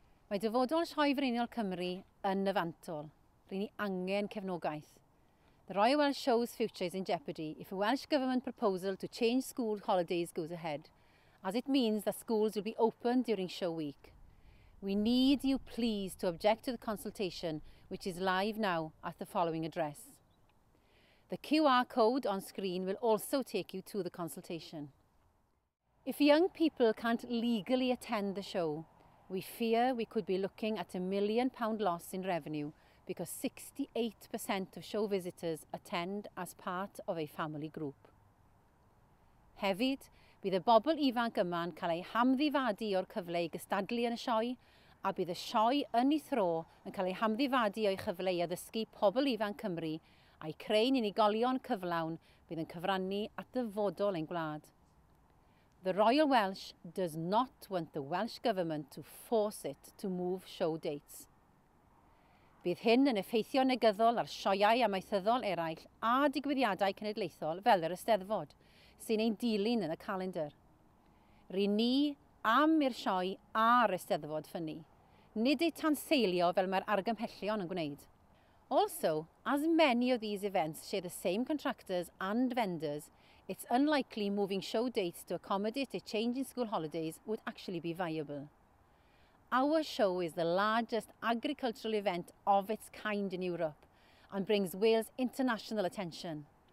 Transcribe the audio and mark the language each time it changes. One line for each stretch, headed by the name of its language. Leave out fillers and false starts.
Welsh: Mae dyfodol sioe Frenol Cymru yn nyfantol. Rwy'n ni angen cefnogaeth.
English: The Royal Welsh Show's future is in jeopardy if a Welsh Government proposal to change school holidays goes ahead, as it means that schools will be open during show week. We need you please to object to the consultation, which is live now at the following address. The QR code on screen will also take you to the consultation. If young people can't legally attend the show, we fear we could be looking at £1 million loss in revenue because 68% of show visitors attend as part of a family group.
Welsh: Hefyd, bydd y bobl ifanc yma'n cael eu hamddifadu o'r cyfle I gystadlu yn y sioe, a bydd y sioe yn ei thro yn cael eu hamddifadu o'i chyfle I addysgu pobl ifanc Cymru a'i creu'n unigolion cyflawn bydd yn cyfrannu at dyfodol ein gwlad.
English: The Royal Welsh does not want the Welsh Government to force it to move show dates.
Welsh: Bydd hyn yn effeithio negyddol ar sioeau amaethyddol eraill a digwyddiadau cenedlaethol fel yr Eisteddfod, sy'n ein dilyn yn y calendar. Rwy'n ni am i'r sioe a'r Eisteddfod ffynnu, nid eu tanseilio fel mae'r argymhellion yn gwneud.
English: Also, as many of these events share the same contractors and vendors, it's unlikely moving show dates to accommodate a change in school holidays would actually be viable. Our show is the largest agricultural event of its kind in Europe and brings Wales international attention.